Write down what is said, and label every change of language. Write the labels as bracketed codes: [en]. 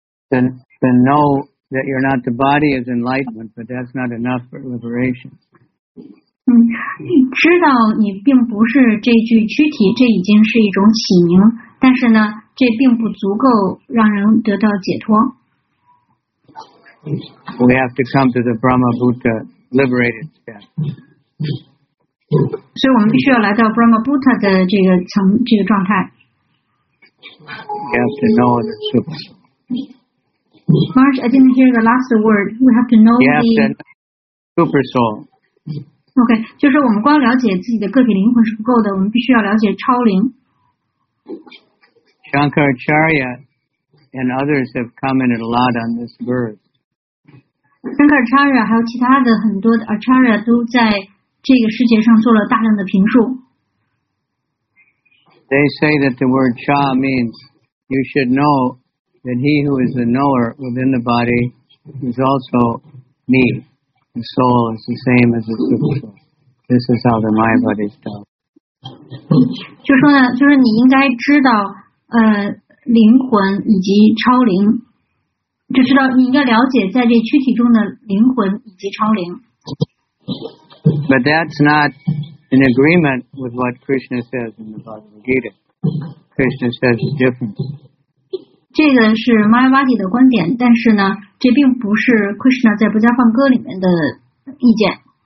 [en] The know that you're not the body is enlightenment, but that's not enough for liberation. [zh] 知道你并不是这具躯体，这已经是一种启明，但是呢，这并不足够让人得到解脱。 [en] We have to come to the Brahma Buddha liberated step. [zh] 所以我们必须要来到 Brahma Buddha 的这个层这个状态。 [en] We have to know the super soul. Marsh, I didn't hear the last word. We have to know the super soul. [zh] Okay, 就是我们光了解自己的个体灵魂是不够的，我们必须要了解超灵。 [en] Shankaracharya and others have commented a lot on this verse. [zh] Shankaracharya 还有其他的很多的 Acharya 都在这个世界上做了大量的评述。 [en] They say that the word cha means you should know. That he who is the knower within the body is also me. The soul is the same as the super soul. This is how the mind body is done. [zh] 就说呢，就是你应该知道，灵魂以及超灵，就知道你应该了解在这躯体中的灵魂以及超灵。 [en] But that's not in agreement with what Krishna says in the Bhagavad Gita. Krishna says it's different. [zh] 这个是 Mayavadi 的观点，但是呢，这并不是 Krishna 在《不加梵歌》里面的意见。